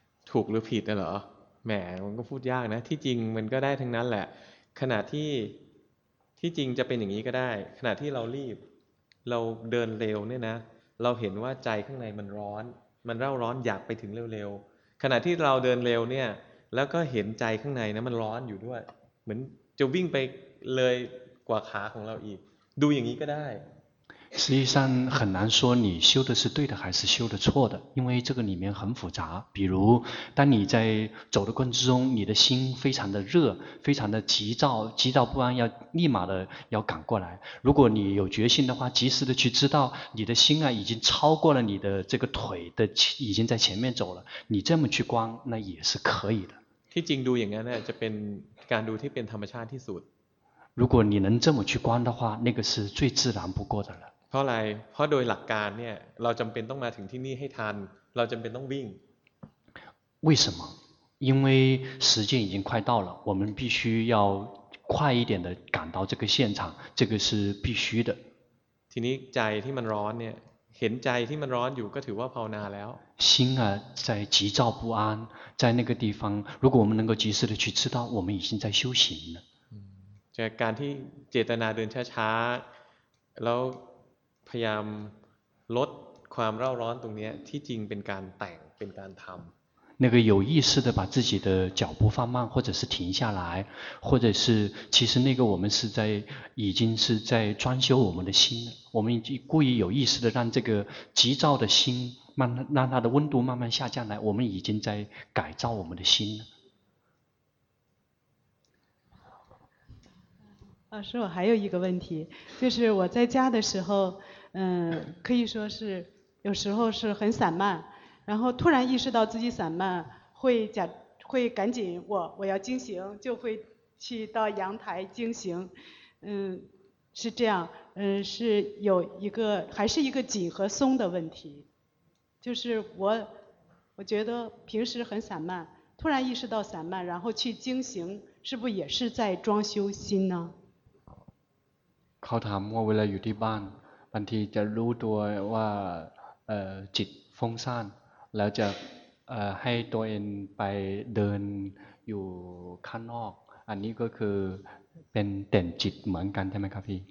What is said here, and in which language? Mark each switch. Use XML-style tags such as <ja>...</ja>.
<th>ถูกหรือผิดเหรอแหมมันก็พูดยากนะที่จริงมันก็ได้ทั้งนั้นแหละขณะที่จริงจะเป็นอย่างนี้ก็ได้ขณะที่เรารีบเราเดินเร็วเนี่ยนะเราเห็นว่าใจข้างในมันร้อนมันเร่าร้อนอยากไปถึงเร็วๆขณะที่เราเดินเร็วเนี่ยแล้วก็เห็นใจข้างในนะมันร้อนอยู่ด้วยเหมือนจะวิ่งไปเลยกว่าขาของเราอีกดูอย่างนี้ก็ได้</th> <zh>实际上很难说你修的是对的还是修的错的因为这个里面很复杂比如当你在走的过程之中你的心非常的热非常的急躁不安要立马的要赶过来如果你有决心的话及时的去知道你的心啊已经超过了你的这个腿的已经在前面走了你这么去观那也是可以的</zh> <th>ที่จริงดูอย่างนั้นเนี่ยจะเป็นการดูที่เป็นธรรมชาติที่สุด</th> <zh>如果你能这么去观的话那个是最自然不过的了</zh> <th>เ พราะอะไรเพราะโดยหลักการเนี่ยเราจำเป็นต้องมาถึงที่นี่ให้ทันเราจำเป็นต้องวิ่ง</th> <zh>为什么因为时间已经快到了我们必须要快一点的赶到这个现场这个是必须的</zh> <th>ทีนี้ใจที่มันร้อนเนี่ยเห็นใจที่มันร้อนอยู่ก็ถือว่าภาวนาแล้ว</th> <zh>心啊在急躁不安在那个地方如果我们能够及时的去知道我们已经在修行了</zh> <th>จากการที่เจตนาเดินช้าๆแล้วพยายามลดความเร่าร้อนตรงนี้ที่จริงเป็นการแต่งเป็นการทำ</th> <zh>那个有意识的把自己的脚步放慢或者是停下来或者是其实那个我们是在已经是在装修我们的心我们故意有意识的让这个急躁的心慢让它的温度慢慢下降来我们已经在改造我们的心了老师我还有一个问题就是我在家的时候可以说是有时候是很散漫然后突然意识到自己散漫会赶紧我要惊醒就会去到阳台惊醒是这样是有一个还是一个紧和松的问题就是我觉得平时很散漫突然意识到散漫然后去惊醒是不是也是在装修心呢</zh> <th>เขาถามว่าเวลาอยู่ที่บ้านบางทีจะรู้ตัวว่าจิตฟุ้งซ่านแล้วจะให้ตัวเองไปเดินอยู่ข้างนอกอันนี้ก็คือเป็นเต่นจิตเหมือนกันใช่ไหมครับพี</th>